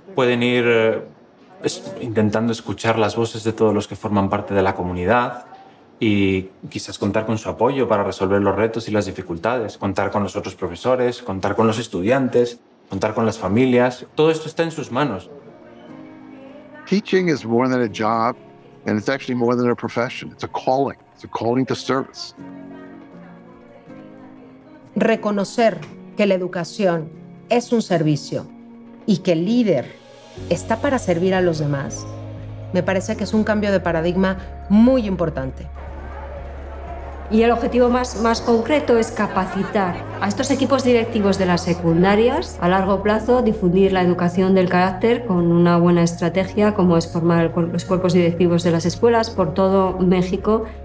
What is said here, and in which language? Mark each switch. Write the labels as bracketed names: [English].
[Spanish] Pueden ir intentando escuchar las voces de todos los que forman parte de la comunidad y quizás contar con su apoyo para resolver los retos y las dificultades, contar con los otros profesores, contar con los estudiantes, contar con las familias. Todo esto está en sus manos. [English] Teaching is more than a job, and it's actually more than a profession. It's a calling. It's a calling to service. [Spanish] Reconocer que la educación es un servicio y que el líder está para servir a los demás, me parece que es un cambio de paradigma muy importante. Y el objetivo más concreto es capacitar a estos equipos directivos de las secundarias a largo plazo, difundir la educación del carácter con una buena estrategia, como es formar los cuerpos directivos de las escuelas por todo México.